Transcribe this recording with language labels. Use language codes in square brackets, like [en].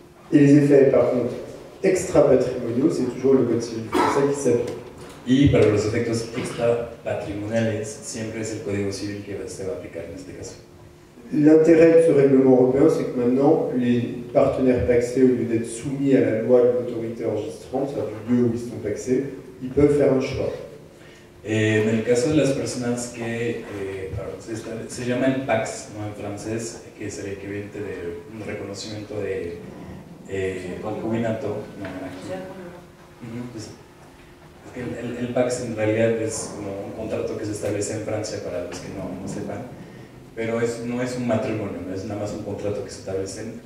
[fr] Et les effets, par contre, extra-patrimoniaux, c'est toujours le code civil français qui s'applique. [es] Y para los efectos extra-patrimoniales, siempre es el código civil que se va a aplicar en este caso. [fr] L'intérêt de ce règlement européen, c'est que maintenant, les partenaires pacsés, au lieu d'être soumis à la loi de l'autorité enregistrante, c'est-à-dire du lieu où ils sont pacsés, ils peuvent faire un choix. [es] En el caso de las personas que se llama el PAX, ¿no? En francés, que es el equivalente de un reconocimiento de concubinato. No, aquí. Pues, es que el PAX en realidad es como un contrato que se establece en Francia para los que no sepan, pero no es un matrimonio, no es nada más un contrato que se establece.